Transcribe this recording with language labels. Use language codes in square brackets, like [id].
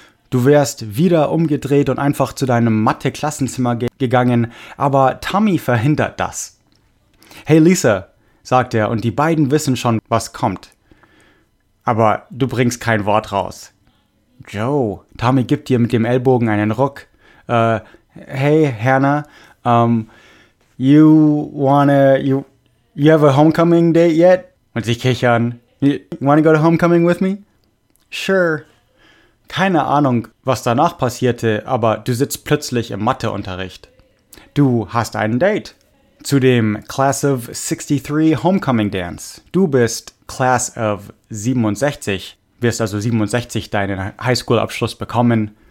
[de] Du wärst wieder umgedreht und einfach zu deinem Mathe-Klassenzimmer gegangen, aber Tommy verhindert das. Hey Lisa, sagt er, und die beiden wissen schon, was kommt. Aber du bringst kein Wort raus. Joe, Tommy gibt dir mit dem Ellbogen einen Ruck. [en] Hey, Hannah, you have a homecoming date yet? [de] Und sie kichern. [en] You wanna go to homecoming with me? Sure. [de] Keine Ahnung, was danach passierte, aber du sitzt plötzlich im Matheunterricht. Du hast ein Date. Zu dem Class of 63 Homecoming Dance. Du bist Class of 67. Wirst also 67 deinen Highschool-Abschluss bekommen.